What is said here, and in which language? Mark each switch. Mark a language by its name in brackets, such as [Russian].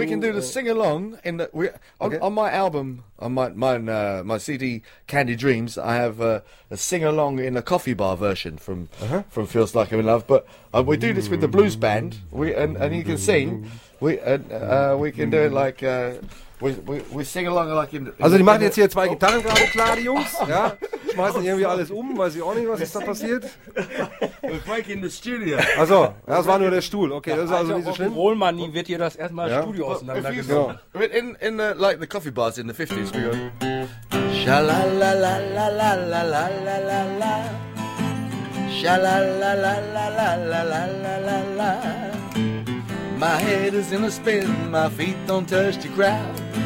[English] We can do the sing-along. On my album, my CD, Candy Dreams, I have a sing-along in a coffee bar version from Feels Like I'm In Love. But we do this with the blues band, and you can sing. We sing along like in [German] also die machen jetzt hier zwei Gitarren gerade klar, die Jungs. Ja, schmeißen irgendwie alles um, weiß ich auch nicht, was ist da passiert. [English] We're breaking the studio. [German] Achso, das war nur der Stuhl. Okay, das ist also nicht so schlimm. Also Rollmanni wird hier das erstmal Studio auseinandergesucht. [English] In the, like the coffee bars in the 50s, we go. Sha-la-la-la-la-la-la-la-la-la-la. Sha-la-la-la-la-la-la-la-la-la-la. My head is in a spin, my feet don't touch the ground.